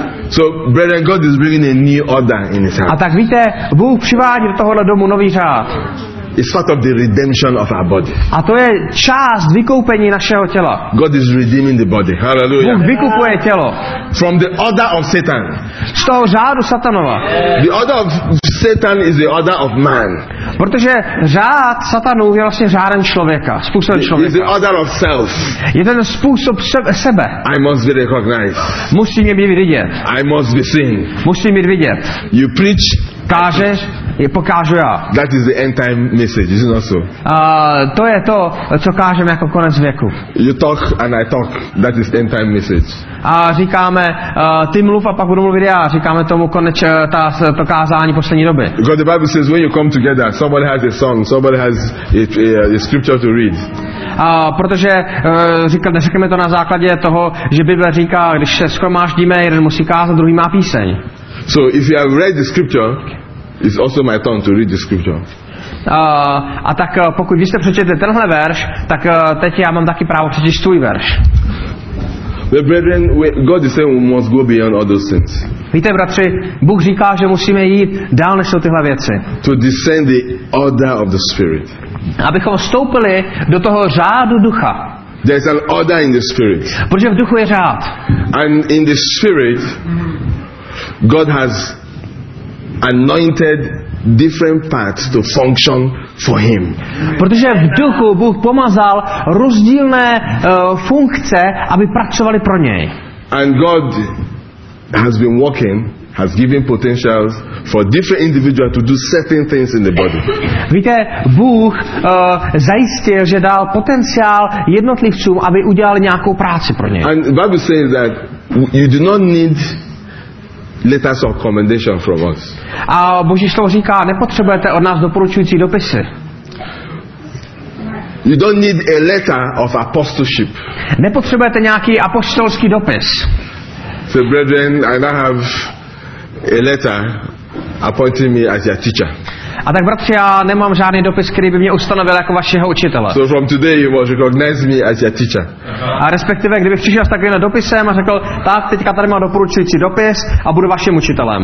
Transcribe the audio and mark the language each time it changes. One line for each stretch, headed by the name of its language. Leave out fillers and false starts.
English: So brethren, God is bringing a new order in his house.
Czech: A tak víte, Bůh přivádí do tohohle domu nový řád.
English: It's part of the redemption of our body.
Czech: A to je část vykoupení našeho těla.
English: God is redeeming the body. Hallelujah.
Czech: Bůh vykupuje tělo.
English: From the order of Satan.
Czech: Z toho řádu Satanova.
English: The order of Satan is the order of man.
Czech: Protože řád Satanu je vlastně řádem člověka, způsobem člověka.
English: It's the order of self.
Czech: Je ten způsob sebe.
English: I must be recognized.
Czech: Musí mě být vidět.
English: I must be seen.
Czech: Musí mě vidět.
English: You preach.
Czech: Kážeš, je pokážu já.
English: That is the end time message, isn't it so?
Czech: To je to, co kážeme jako konec věku.
English: You talk and I talk. That is the end time message.
Czech: A říkáme, ty mluv a pak budu mluvit já. Říkáme tomu koneč to kázání poslední doby.
English: Because the Bible says when you come together, somebody has a song, somebody has a scripture to read.
Czech: Protože říkal, neřekneme to na základě toho, že Bible říká, když se shromáždíme, jeden musí kázat, druhý má píseň.
English: So if you have read the scripture, it's also my turn to read the scripture.
Czech: A tak pokud vy jste přečetli tenhle verš, tak teď já mám taky právo přečíst svůj verš.
English: The brethren, God is saying we must go beyond all those things.
Czech: Víte, bratři, Bůh říká, že musíme jít dál než jsou tyhle věci.
English: To descend the order of the Spirit.
Czech: Abychom vstoupili do toho řádu ducha.
English: There is an order in the Spirit.
Czech: Protože v duchu je řád.
English: And in the Spirit, God has anointed different parts to function for him.
Czech: Protože v duchu Bůh pomazal rozdílné funkce, aby pracovali pro něj.
English: And God has been working, has given potentials for different individuals to do certain things in the body.
Czech: Víte, Bůh zajistil, že dal potenciál jednotlivcům, aby udělali nějakou práci pro něj.
English: And the Bible says that you do not need letters of commendation from us.
Czech: A Boží slovo říká, nepotřebujete od nás doporučující dopisy.
English: You don't need a letter of apostleship.
Czech: Nepotřebujete nějaký apostolský dopis.
English: So brethren, I now have a letter appointing me as your teacher.
Czech: A tak bratři, já nemám žádný dopis, který by mě ustanovil jako vašeho učitele.
English: So from today you must recognize me as your teacher.
Czech: A respektive, kdybych přišel s takovým dopisem a řekl, tak teďka tady mám doporučující dopis a budu vaším učitelem.